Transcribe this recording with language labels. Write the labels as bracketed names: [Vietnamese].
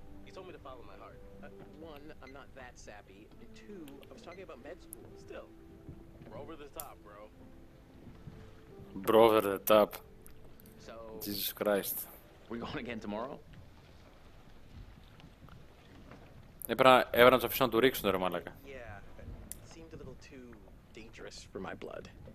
[English] He told me to follow my heart. One, I'm not that sappy. And two, I was talking about med school. Still, we're over the top, bro. Brother, the top. Jesus Christ. We're going again tomorrow. [Greek] Έπρεπε να τους αφήσω να του ρίξουν, ρε μάλακα. [English] Yeah, it seemed a little too dangerous for my blood.